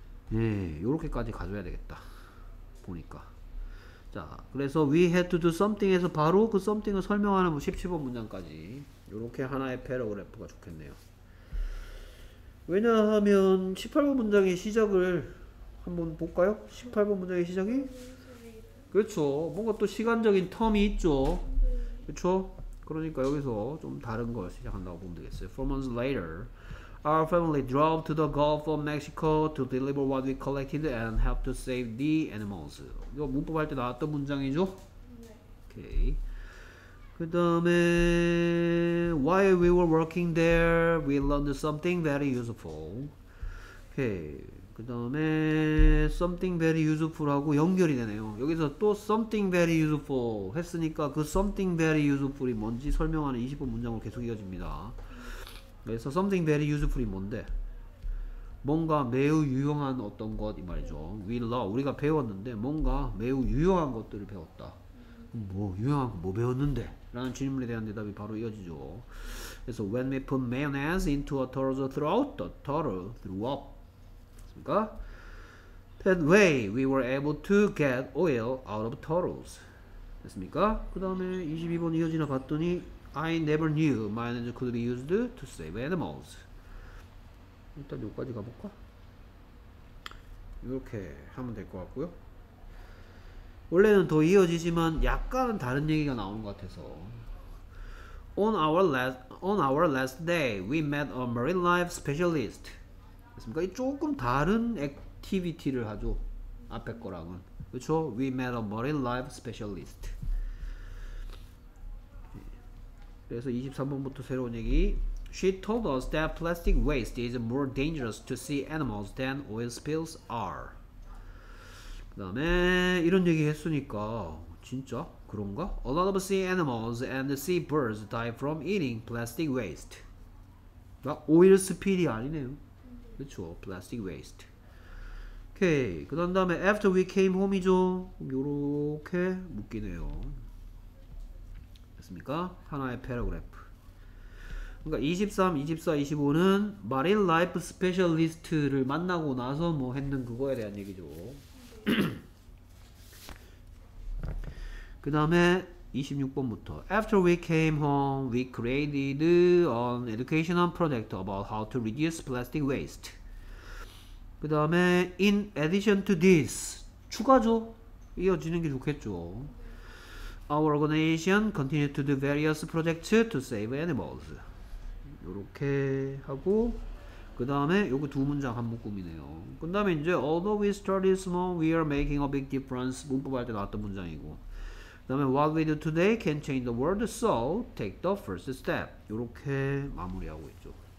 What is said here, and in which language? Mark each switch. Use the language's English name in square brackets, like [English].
[Korean] 네, 요렇게까지 가져야 되겠다. 보니까. 자, 그래서 [English] we had to do something [Korean] 에서 바로 그 something을 설명하는 17번 문장까지 요렇게 하나의 패러그래프가 좋겠네요. 왜냐하면 18번 문장의 시작을 한번 볼까요? 18번 문장의 시작이? 그렇죠. 뭔가 또 시간적인 텀이 있죠. 그렇죠? 그러니까 여기서 좀 다른 걸 시작한다고 보면 되겠어요. [English] 4 months later, our family drove to the Gulf of Mexico to deliver what we collected and help to save the animals. [Korean] 이거 문법 할 때 나왔던 문장이죠? 네. [English] 그 다음에 while we were working there, we learned something very useful. [Korean] 그 다음에 something very useful하고 연결이 되네요. 여기서 또 something very useful 했으니까 그 something very useful이 뭔지 설명하는 20번 문장으로 계속 이어집니다. 그래서 something very useful이 뭔데? 뭔가 매우 유용한 어떤 것이 말이죠. [English] We love, [Korean] 우리가 배웠는데 뭔가 매우 유용한 것들을 배웠다. 뭐 유용한 거 뭐 배웠는데? 라는 질문에 대한 대답이 바로 이어지죠. [English] 그래서 when we put mayonnaise into a turtle's throat, the turtle threw up. That way we were able to get oil out of turtles. [Korean] 됐습니까? 그 다음에 22번 이어지나 봤더니 [English] I never knew mayonnaise could be used to save animals. [Korean] 일단 여기까지 가볼까? 이렇게 하면 될 것 같고요. 원래는 더 이어지지만 약간은 다른 얘기가 나오는 것 같아서 [English] On our last day we met a marine life specialist. [Korean] 됐습니까? 조금 다른 액티비티를 하죠. 앞에 거랑은. 그렇죠? [English] We met a marine life specialist. [Korean] 그래서 23번부터 새로운 얘기. [English] She told us that plastic waste is more dangerous to sea animals than oil spills are. [Korean] 그 다음에 이런 얘기 했으니까 진짜 그런가? [English] A lot of sea animals and sea birds die from eating plastic waste. [Korean] 나 오일 스필이 아니네요. 그렇죠. Plastic waste. 오케이. 그 다음에 [English] after we came home [Korean] 이죠. 요렇게 묶이네요. 됐습니까? 하나의 paragraph. 그러니까 23, 24, 25는 marine life specialist를 만나고 나서 뭐 했는 그거에 대한 얘기죠. 그 다음에 26번부터 [English] After we came home, we created an educational project about how to reduce plastic waste. [Korean] 그 다음에 [English] In addition to this, [Korean] 추가죠? 이어지는 게 좋겠죠. [English] Our organization continued to do various projects to save animals. [Korean] 이렇게 하고 그 다음에 요거 두 문장 한 묶음이네요. 그 다음에 이제 [English] Although we started small, we are making a big difference. [Korean] 문법 할 때 나왔던 문장이고 그 다음에 [English] What we do today can change the world, so take the first step. [Korean] 이렇게 마무리하고 있죠.